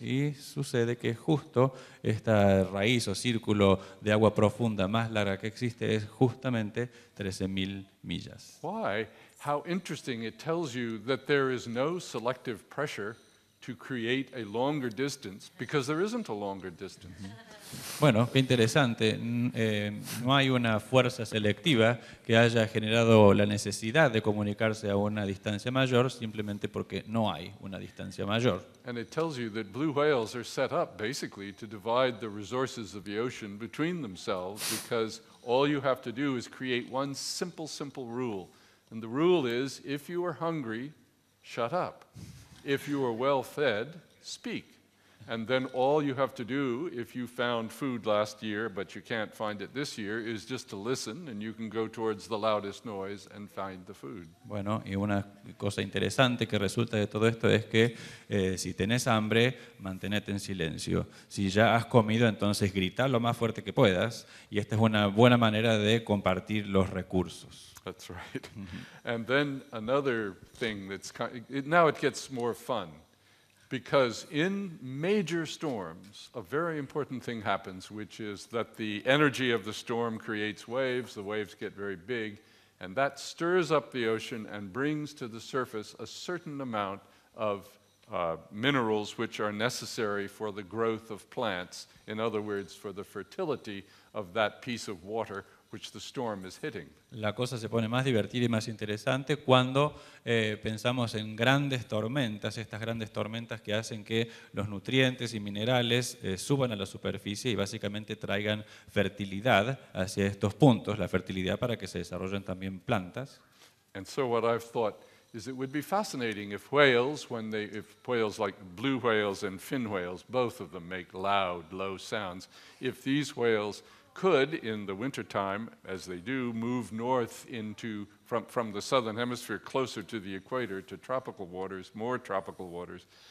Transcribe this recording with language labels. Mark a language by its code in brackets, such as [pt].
[es] Y sucede que justo esta raíz o círculo de agua profunda más larga que existe es justamente 13,000 millas. [en] Why? How interesting. It tells you that there is no selective pressure to create a longer distance because there isn't a longer distance. [es] Bueno, qué interesante. No hay una fuerza selectiva que haya generado la necesidad de comunicarse a una distancia mayor simplemente porque no hay una distancia mayor. [en] And it tells you that blue whales are set up basically to divide the resources of the ocean between themselves because all you have to do is create one simple rule. And the rule is, if you are hungry, shut up. If you are well fed, speak. And then all you have to do, if you found food last year but you can't find it this year, is just to listen and you can go towards the loudest noise and find the food. [es] Bueno, y una cosa interesante que resulta de todo esto es que si tenés hambre, mantenete en silencio. Si ya has comido, entonces grita lo más fuerte que puedas. Y esta es una buena manera de compartir los recursos. [en] That's right. And then another thing that's kind of, now it gets more fun. Because in major storms, a very important thing happens, which is that the energy of the storm creates waves, the waves get very big, and that stirs up the ocean and brings to the surface a certain amount of minerals which are necessary for the growth of plants, in other words, for the fertility of that piece of water which the storm is hitting. [es] La cosa se pone más divertida y más interesante cuando pensamos en grandes tormentas, estas grandes tormentas que hacen que los nutrientes y minerales suban a la superficie y básicamente traigan fertilidad hacia estos puntos, la fertilidad para que se desarrollen también plantas. [en] And so what I've thought is it would be fascinating if whales, if whales like blue whales and fin whales, both of them make loud, low sounds, if these whales could in the winter time, as they do, move north into from the southern hemisphere closer to the equator to tropical waters, more tropical waters,